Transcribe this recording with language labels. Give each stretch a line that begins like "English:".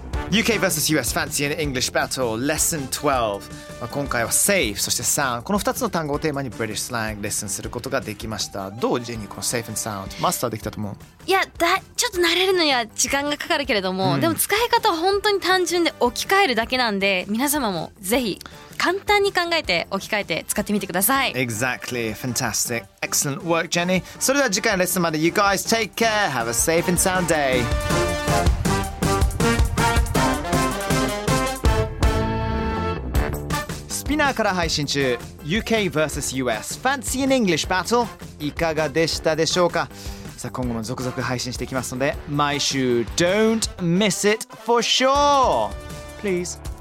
Japanese: UK vs. US Fancy and English Battle Lesson 12、まあ、今回は Safe そして Sound、 この2つの単語をテーマに British Slang レッスンすることができました。どうジェニー、この Safe and Sound マスターできたと思う？いやだちょっと慣れるのには時間がかかるけれども、うん、でも使い方は本当に単純で置き換えるだけなんで、皆様もぜひ簡単に考えて置き換えて使ってみてください。
English: Exactly, fantastic, excellent work Jenny。
Japanese: それでは次回のレッスンまで
English: You guys take care, have a safe and sound day
Japanese: スピナーから配信中
English: UK vs.
Japanese: US Fancy in English Battle、 いかがでしたでしょうか。さあ今後も続々配信していきますので、毎週
English: Don't miss it for sure Please